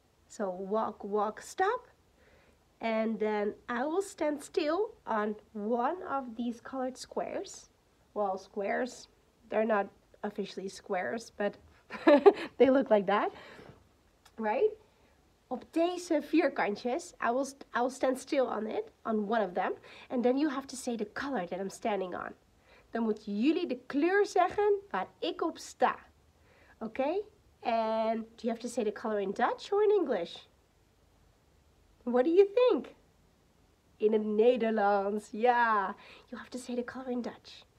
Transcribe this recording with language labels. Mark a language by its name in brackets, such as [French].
[English] So walk, walk, stop. And then I will stand still on one of these colored squares. Well, squares, they're not officially squares, but they look like that, right? [Dutch] Op deze vierkantjes, [English] I will stand still on it, on one of them. And then you have to say the color that I'm standing on. [Dutch] Dan moet jullie de kleur zeggen waar ik op sta. [English] Okay? And do you have to say the color in Dutch or in English? What do you think? [Dutch] In het Nederlands, [English] yeah. You have to say the color in Dutch.